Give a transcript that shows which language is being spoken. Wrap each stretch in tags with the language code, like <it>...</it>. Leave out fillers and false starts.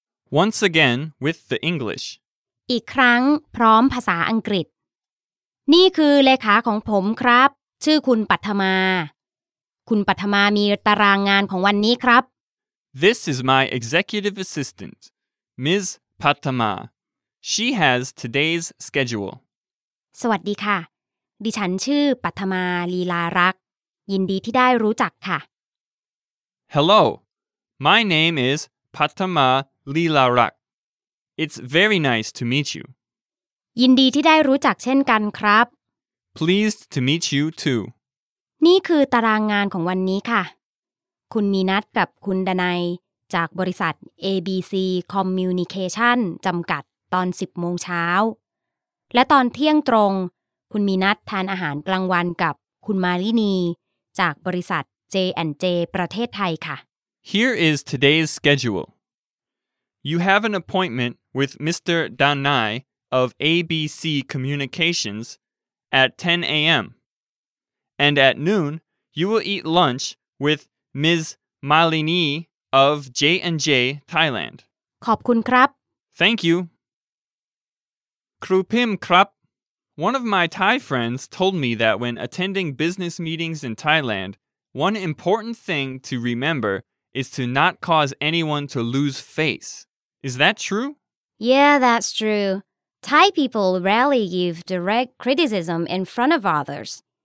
<en>Once again with the English</en> <th>อีกครั้งพร้อมภาษาอังกฤษนี่คือเลขาของผมครับชื่อคุณปัทมาคุณปัทมามีตารางงานของวันนี้ครับ</th> <en>This is my executive assistant, Ms. Patama. She has today's schedule.</en> <th>สวัสดีค่ะดิฉันชื่อปัทมาลีลารักยินดีที่ได้รู้จักค่ะ</th> <en>Hello, my name is Patama Leelarak. It's very nice to meet you.</en> <th>ยินดีที่ได้รู้จักเช่นกันครับ</th> <en>Pleased to meet you too.</en> <th>นี่คือตารางงานของวันนี้ค่ะคุณมีนัดกับคุณดนัยจากบริษัท ABC Communication จำกัดตอน10โมงเช้าและตอนเที่ยงตรงคุณมีนัดทานอาหารกลางวันกับคุณมาลินีจากบริษัท J&J ประเทศไทยค่ะ</th> <en>Here is today's schedule. You have an appointment with Mr. Danai of ABC Communications. At 10 a.m. And at noon, you will eat lunch with Ms. Malini of J&J Thailand.</en> <th>ขอบคุณครับ</th> <en>Thank you.</en> <th>ครูพิมพ์ครับ</th> <en>One of my Thai friends told me that when attending business meetings in Thailand, one important thing to remember is to not cause anyone to lose face. Is that true? Yeah, that's true. Thai people rarely give direct criticism in front of others.</en>